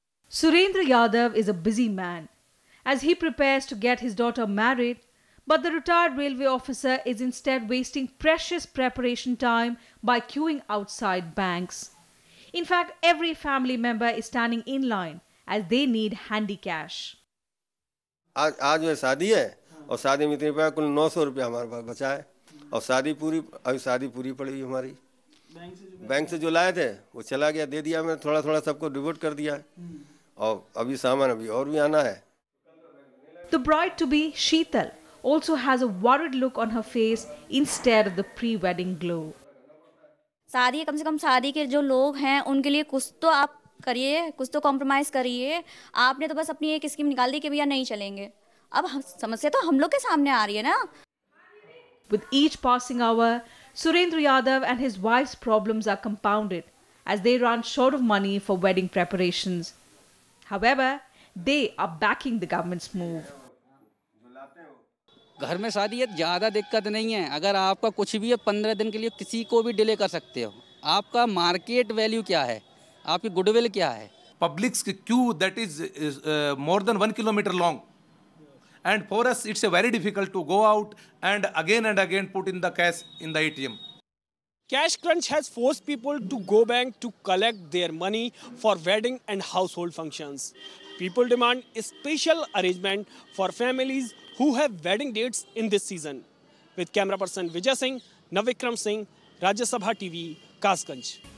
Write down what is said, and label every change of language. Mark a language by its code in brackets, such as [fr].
[en] Surendra Yadav is a busy man as he prepares to get his daughter married. But the retired railway officer is instead wasting precious preparation time by queuing outside banks. In fact, every family member is standing in line as they need handy cash. [hi] आज मैं शादी है और शादी में इतने पैसे कुल 900 रुपया हमारे पास बचा है और शादी पूरी पड़ी हुई हमारी बैंक से जो लाए थे वो चला गया दे दिया मैंने थोड़ा थोड़ा सबको डिवोट कर दिया और अभी सामान अभी और भी आना है. [en] The bride to be Sheetal also has a worried look on her face instead of the pre-wedding glow. [hi] शादी कम से कम शादी के जो लोग हैं उनके लिए कुछ तो आप करिए, कुछ तो कॉम्प्रोमाइज करिए. आपने तो बस अपनी एक स्कीम निकाल दी कि भैया नहीं चलेंगे. अब समस्या तो हम लोग के सामने आ रही है ना. [en] With each passing hour, Surendra Yadav and his wife's problems are compounded as they run short of money for wedding preparations. However, they are backing the government's move. [hi] घर में शादी है, ज़्यादा दिक्कत नहीं है. अगर आपका कुछ भी है 15 दिन के लिए किसी को भी डिले कर सकते हो. आपका मार्केट वैल्यू क्या है, आपकी गुडविल क्या है. [en] Public's queue that is more than 1 kilometre long and for us it's very difficult to go out and again put in the cash in the ATM. Cash crunch has forced people to go bank to collect their money for wedding and household functions. People demand special arrangement for families who have wedding dates in this season. With camera person Vijay Singh, Navikram Singh, Rajya Sabha TV, Kasganj.